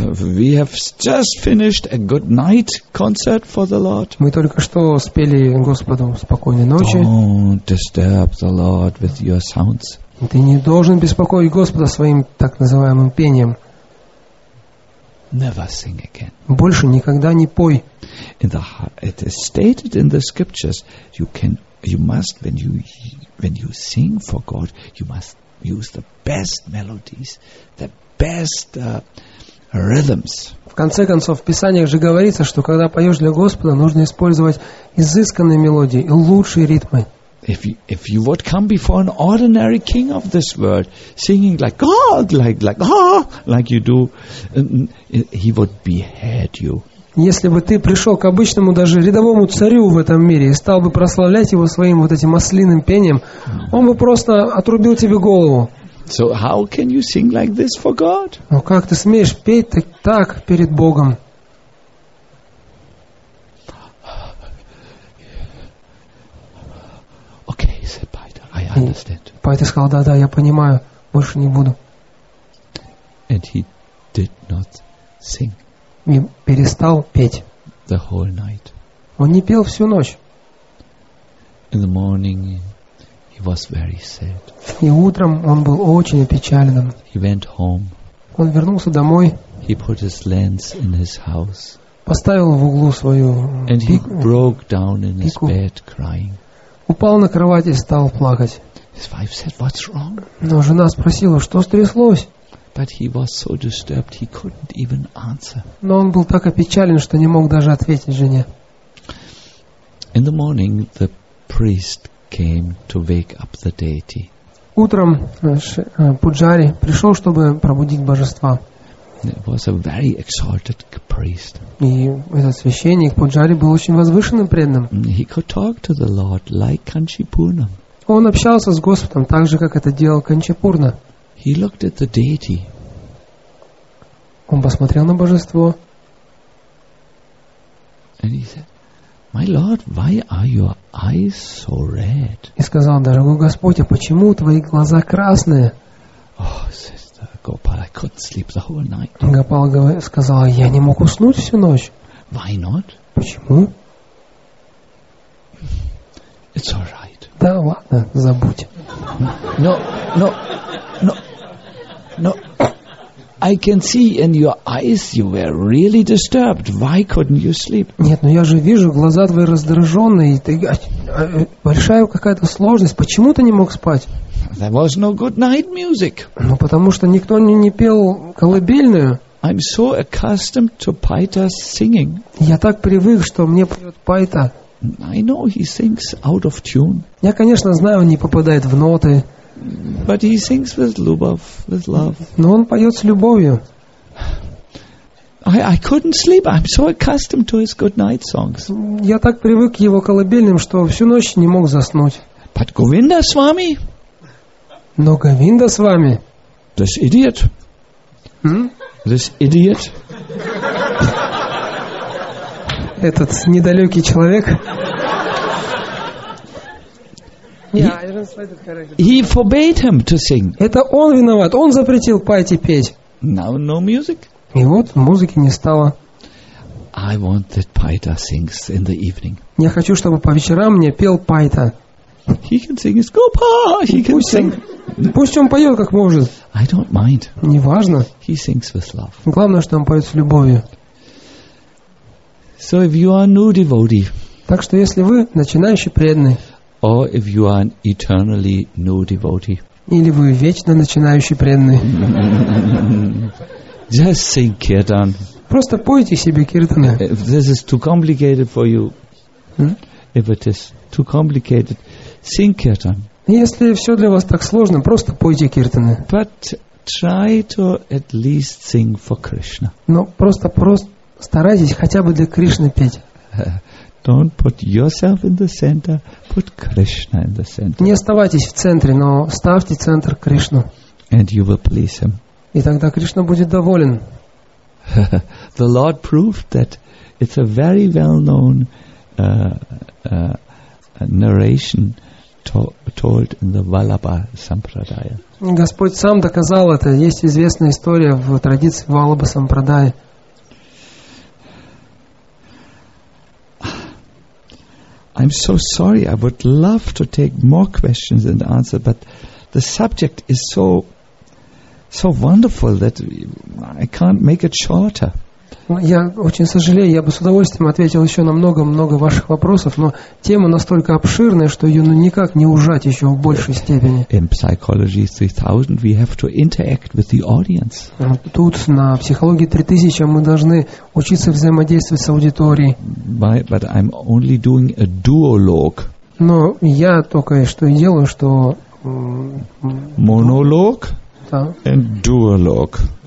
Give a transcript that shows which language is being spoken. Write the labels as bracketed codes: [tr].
[en] We have just finished a good night concert for the Lord. [ru] Мы только что спели Господу спокойной ночи. [en] Don't disturb the Lord with your sounds. [ru] Ты не должен беспокоить Господа своим так называемым пением. [en] Never sing again. [ru] Больше никогда не пой. [en] It is stated in the scriptures, you must when you sing for God, you must use the best melodies, the best rhythms. [ru] В конце концов, в Писаниях же говорится, что когда поешь для Господа, нужно использовать изысканные мелодии и лучшие ритмы. [en] If you would come before an ordinary king of this world singing like God, like you do, he would behead you. [ru] Если бы ты пришел к обычному, даже рядовому царю в этом мире и стал бы прославлять его своим вот этим ослиным пением, он бы просто отрубил тебе голову. [en] So how can you sing like this for God? [ru] Ну как ты смеешь петь так перед Богом? [en] Okay, said Paita. understand. [ru] Поэт сказал, да-да, я понимаю, больше не буду. [en] And he did not sing. [ru] И перестал петь. [en] The whole night. [ru] Он не пел всю ночь. [en] In the morning he was very sad. [ru] И утром он был очень опечаленным. [en] He went home. [ru] Он вернулся домой. [en] He put his lens in his house. [ru] Поставил в углу свою [en] And he broke down in his bed crying. [ru] Упал на кровать и стал плакать. [en] His wife said, "What's wrong?" [ru] Но жена спросила, что стряслось? [en] But he was so disturbed he couldn't even answer. [ru] Но он был так опечален, что не мог даже ответить жене. [en] In the morning the priest came to wake up the deity. [ru] Утром Пуджари пришел, чтобы пробудить божества. [en] It was a very exalted priest. [ru] И этот священник Пуджари был очень возвышенным преданным. [en] He could talk to the Lord like Kanchipurnam. [ru] Он общался с Господом так же, как это делал Канчапурна. [en] He looked at the deity. [ru] Он посмотрел на божество. [en] And he said, "My Lord, why are your eyes so red?" [ru] И сказал, дорогой Господь, почему твои глаза красные? [en] Oh, sister Gopal, I couldn't sleep the whole night. [ru] Гопал сказал, я не мог уснуть всю ночь. [en] Why not? [ru] Почему? [en] It's all right. [ru] Да ладно, забудь. [en] No. I can see in your eyes you were really disturbed. Why couldn't you sleep? [ru] Нет, но я же вижу, глаза твои раздраженные, и ты большая какая-то сложность. Почему ты не мог спать? [en] There was no good night music. [ru] Ну потому что никто не пел колыбельную. [en] I'm so accustomed to Paita's singing. [ru] Я так привык, что мне поет Пайта. [en] I know he sings out of tune. [ru] Я, конечно, знаю, он не попадает в ноты. [en] But he sings with [ru] любовь, [en] with love. [ru] Но он поет с любовью. [en] I couldn't sleep. I'm so accustomed to his good night songs. [ru] Я так привык к его колыбельным, что всю ночь не мог заснуть. [en] But [ru] Govinda с вами? Но Говинда с вами? [en] This idiot. Hmm? This idiot. [ru] Этот недалекий человек. [en] He forbade him to sing. [ru] Это он виноват. Он запретил Пайте петь. [en] Now no music. [ru] И вот музыки не стало. [en] I want that Paita sings in the evening. [ru] Я хочу, чтобы по вечерам мне пел Пайта. [en] He can sing his Gopa. He can sing. [ru] Пусть он поет как может. [en] I don't mind. [ru] Неважно. [en] He sings with love. [ru] Главное, что он поет с любовью. [en] So if you are new devotee. [ru] Так что если вы начинающий преданный. [en] Or if you are an eternally new devotee. [ru] Или вы вечно начинающий преданный. [en] Just sing kirtan. [ru] Просто пойте себе киртаны. [en] If this is too complicated for you. If it is too complicated, sing kirtan. [ru] Если все для вас так сложно, просто пойте киртаны. [en] But try to at least sing for Krishna. [ru] Но просто старайтесь хотя бы для Кришны петь. [en] Don't put yourself in the center, put Krishna in the center. [ru] Не оставайтесь в центре, но ставьте центр Кришну. [en] And you will please him. [ru] И тогда Кришна будет доволен. [en] The Lord proved that it's a very well-known narration told in the Vallabha Sampradaya. [ru] Господь сам доказал это. Есть известная история в традиции Vallabha Sampradaya. [en] I'm so sorry. I would love to take more questions and answer, but the subject is so wonderful that I can't make it shorter. [ru] Я очень сожалею. Я бы с удовольствием ответил еще на много ваших вопросов, но тема настолько обширная, что ее никак не ужать еще в большей степени. In psychology 3000, we have to interact with the audience. Тут на психологии 3000 мы должны учиться взаимодействовать с аудиторией. But I'm only doing a duologue. Но я только что и делаю, что монолог и дуолог.